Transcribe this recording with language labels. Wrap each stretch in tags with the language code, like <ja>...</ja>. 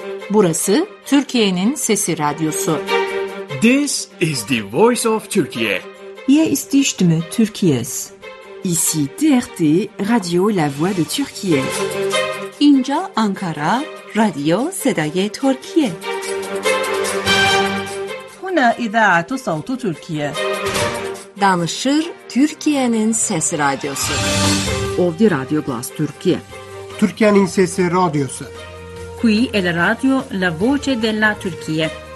<tr>Burası Türkiye'nin Sesi Radyosu.</tr> <en>This is the voice of Türkiye.</en> <de>Hier ist die Stimme Türkiye's.</de> <fr>Ici TRT, Radio La Voix de Türkiye.</fr> <fa>اینجا آنکارا، رادیو صدای ترکیه.</fa> <ar>هنا إذاعة صوت تركيا.</ar> <tr>Danışır Türkiye'nin Sesi Radyosu.</tr> <bs>Ovdi Radio Blast Türkiye.</bs> <tr>Türkiye'nin Sesi Radyosu.</tr> <it>Qui è la radio La Voce della Turchia.</it>